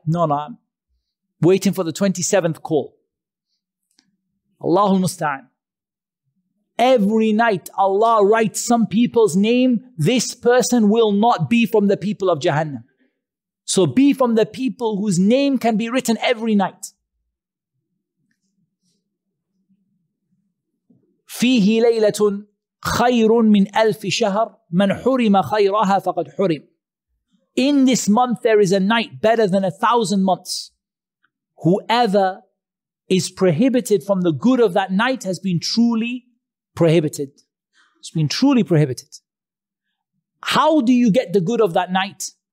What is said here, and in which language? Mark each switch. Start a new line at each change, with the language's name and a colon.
English: No, no, I'm waiting for the 27th call. Allahu musta'an. Every night Allah writes some people's name, this person will not be from the people of Jahannam. So be from the people whose name can be written every night.
Arabic: فيه ليلة خير من ألف شهر من حرم خيرها فقد حرم.
English: In this month there is a night better than 1,000 months. Whoever is prohibited from the good of that night has been truly prohibited. It's been truly prohibited. How do you get the good of that night?